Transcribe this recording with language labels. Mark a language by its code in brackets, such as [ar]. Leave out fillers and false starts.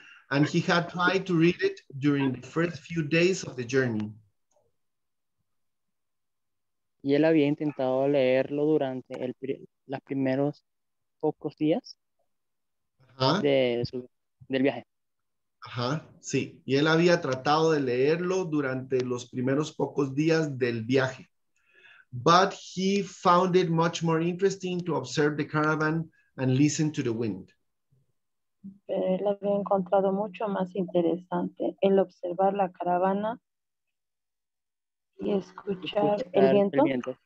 [en] And he had tried to read it during the first few days of the journey. [es] Y él había intentado leerlo durante los primeros pocos días del viaje. Ajá, sí. Y él había tratado de leerlo durante los primeros pocos días del viaje. [en] But he found it much more interesting to observe the caravan and listen to the wind. [es] Pero él había encontrado mucho más interesante el observar la caravana y escuchar el viento.